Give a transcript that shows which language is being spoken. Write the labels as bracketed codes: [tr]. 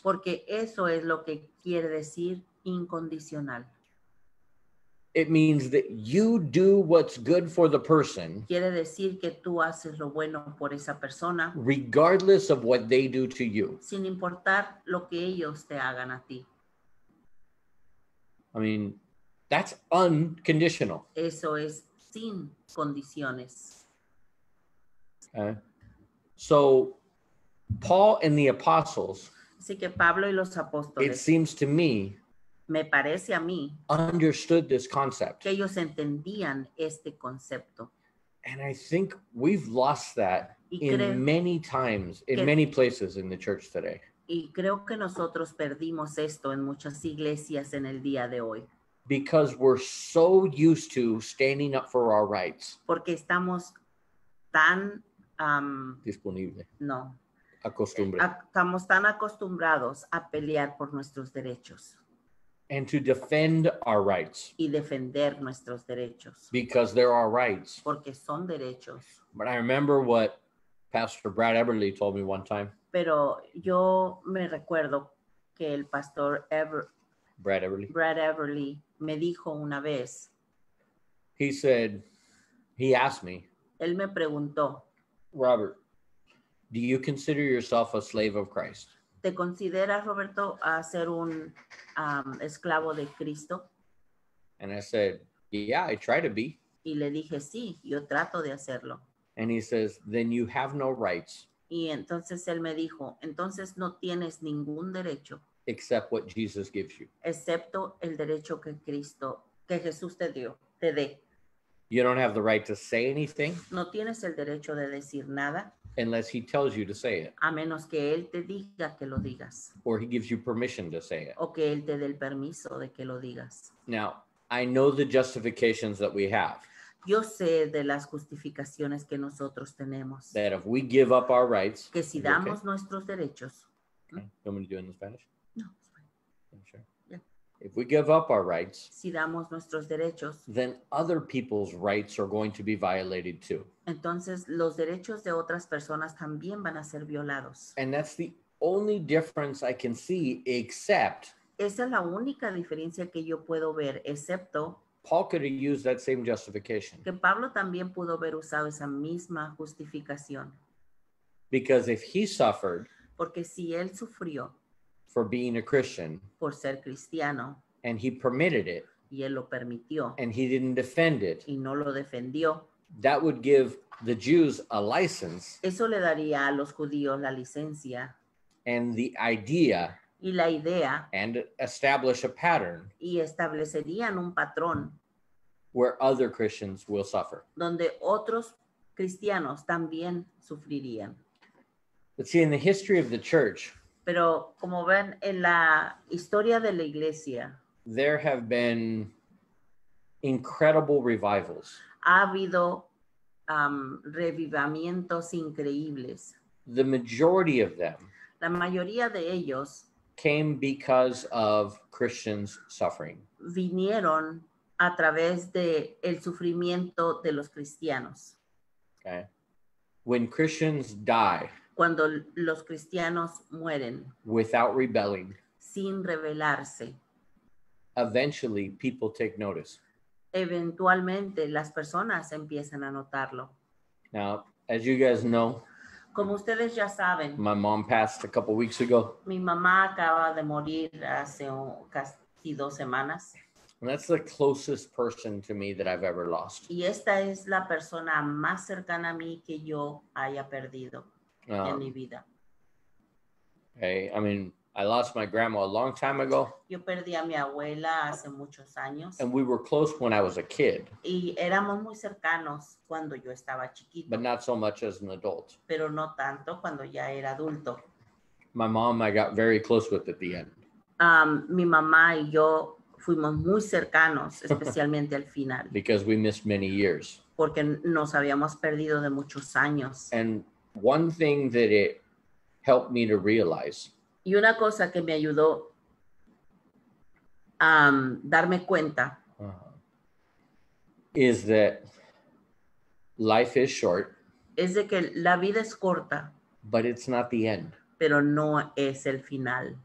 [es] Porque eso es lo que quiere decir incondicional. [en] It means that you do what's good for the person. [es] Quiere decir que tú haces lo bueno por esa persona. [en] Regardless of what they do to you. [es] Sin importar lo que ellos te hagan a ti. [en] I mean, that's unconditional. [es] Eso es sin condiciones. [en] Okay. So Paul and the apostles. [es] Así que Pablo y los apóstoles. [en] It seems to me. [es] Me parece a mí. [en] Understood this concept. [es] Que ellos entendían este concepto. [en] And I think we've lost that in many times, in many places in the church today. [es] Y creo que nosotros perdimos esto en muchas iglesias en el día de hoy. [en] Because we're so used to standing up for our rights. [es] Porque estamos tan disponible. No. Acostumbrados. Estamos tan acostumbrados a pelear por nuestros derechos. [en] And to defend our rights. [es] Y defender nuestros derechos. [en] Because they're our rights. [es] Porque son derechos. [en] But I remember what Pastor Brad Eberle told me one time. [es] Pero yo me recuerdo que el Pastor Brad Eberle me dijo una vez. [en] He said, he asked me. [es] Él me preguntó. [en] Robert. Do you consider yourself a slave of Christ? [es] ¿Te consideras, Roberto, a ser un esclavo de Cristo? [en] And I said, yeah, I try to be. [es] Y le dije, sí, yo trato de hacerlo. [en] And he says, then you have no rights. [es] Y entonces él me dijo, entonces no tienes ningún derecho. [en] Except what Jesus gives you. [es] Excepto el derecho que Cristo, que Jesús te dio, te dé. [en] You don't have the right to say anything. [es] No tienes el derecho de decir nada. [en] Unless he tells you to say it. [es] A menos que él te diga que lo digas. [en] Or he gives you permission to say it. [es] O que él te dé el permiso de que lo digas. [en] Now, I know the justifications that we have. [es] Yo sé de las justificaciones que nosotros tenemos. [en] That if we give up our rights. [es] Que si damos okay? nuestros derechos. [en] Okay. You want me to do it in Spanish? No. I'm sure. If we give up our rights, [es] si damos nuestros derechos, [en] then other people's rights are going to be violated too. [es] Entonces, los derechos de otras personas también van a ser violados. [en] And that's the only difference I can see, except [es] esa es la única diferencia que yo puedo ver, excepto [en] Paul could have used that same justification. [es] Que Pablo también pudo haber usado esa misma justificación. [en] Because if he suffered, [es] porque si él sufrió, [en] for being a Christian, [es] por ser cristiano, [en] and he permitted it, [es] y él lo permitió, [en] and he didn't defend it, [es] y no lo defendió, [en] that would give the Jews a license. [es] Eso le daría a los judíos la licencia, [en] and the idea, [es] y la idea, [en] and establish a pattern, [es] y establecerían un patrón, [en] where other Christians will suffer, [es] donde otros cristianos también sufrirían. [en] But see, in the history of the church, [es] pero como ven en la historia de la iglesia, [en] there have been incredible revivals. [es] Ha habido revivamientos increíbles. [en] The majority of them, [es] la mayoría de ellos, [en] came because of Christians suffering. [es] Vinieron a través de el sufrimiento de los cristianos. [en] Okay. When Christians die, [es] cuando los cristianos mueren, [en] without rebelling, [es] sin rebelarse, [en] eventually people take notice. [es] Eventualmente las personas empiezan a notarlo. [en] Now, as you guys know, [es] como ustedes ya saben, [en] my mom passed a couple weeks ago. [es] Mi mamá acaba de morir hace casi dos semanas. [en] And that's the closest person to me that I've ever lost. [es] Y esta es la persona más cercana a mí que yo haya perdido en mi vida. [en] Hey, I mean, I lost my grandma a long time ago. [es] Yo perdí a mi abuela hace muchos años. [en] And we were close when I was a kid. [es] Y éramos muy cercanos cuando yo estaba chiquito. [en] But not so much as an adult. [es] Pero no tanto cuando ya era adulto. [en] My mom, I got very close with at the end. [es] Mi mamá y yo fuimos muy cercanos, especialmente al final. [en] Because we missed many years. [es] Porque nos habíamos perdido de muchos años. [en] And one thing that it helped me to realize, [es] y una cosa que me ayudó a darme cuenta, [en] is that life is short, [es] es de que la vida es corta, [en] but it's not the end, [es] pero no es el final.